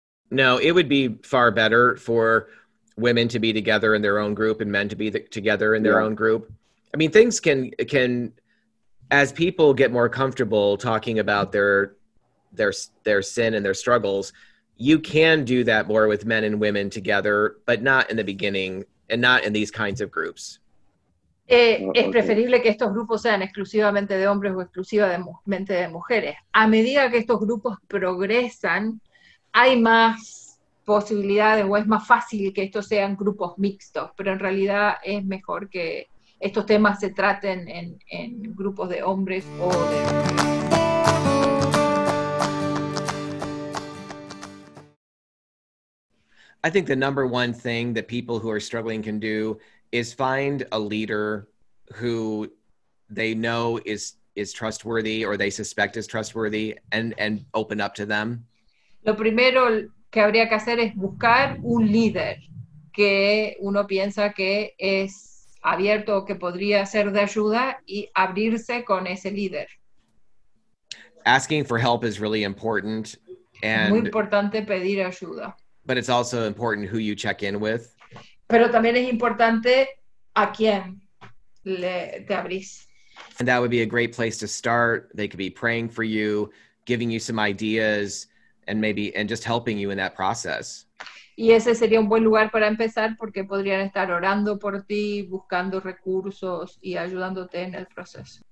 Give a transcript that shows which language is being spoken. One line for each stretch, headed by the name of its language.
English: No, it would be far better for women to be together in their own group and men to be together in their own group. I mean, things can as people get more comfortable talking about their sin and their struggles... You can do that more with men and women together, but not in the beginning and not in these kinds of groups.
Spanish: Es preferible que estos grupos sean exclusivamente de hombres o exclusivamente de mujeres. A medida que estos grupos progresan, hay más posibilidades, o es más fácil que estos sean grupos mixtos, pero en realidad es mejor que estos temas se traten en grupos de hombres o de mujeres.
English: I think the number one thing that people who are struggling can do is find a leader who they know is trustworthy, or they suspect is trustworthy, and open up to them.
Spanish: Lo primero que habría que hacer es buscar un líder que uno piensa que es abierto, que podría ser de ayuda, y abrirse con ese líder.
English: Asking for help is really important. And
Spanish: muy importante pedir ayuda.
English: But it's also important who you check in with.
Spanish: Pero también es importante a quién te abrís.
English: And that would be a great place to start. They could be praying for you, giving you some ideas, and just helping you in that process.
Spanish: Y ese sería un buen lugar para empezar, porque podrían estar orando por ti, buscando recursos y ayudándote en el proceso.